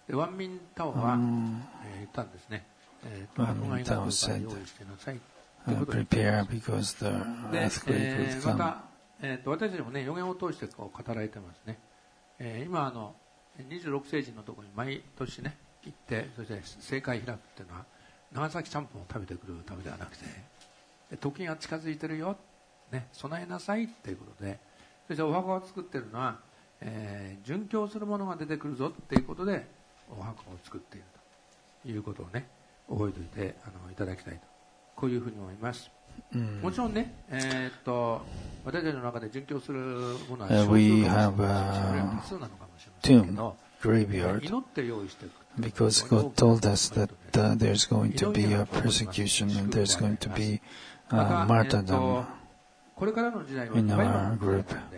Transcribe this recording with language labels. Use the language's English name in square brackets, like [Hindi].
[English] Wan Min Tao said, prepare because the earthquake will come. [Japanese] 行ってそして聖会開くっていうのは長崎ちゃんぽんを食べてくるためではなくて、で時が近づいてるよ、ね、備えなさいっていうことで、そしてお墓を作ってるのは、殉教するものが出てくるぞっていうことでお墓を作っているということをね覚えておいていただきたいと、こういうふうに思います。もちろんね、私たちの中で殉教するものは [English] We have a tomb, graveyard, because God told us that there's going to be a persecution and there's going to be a martyrdom in our group.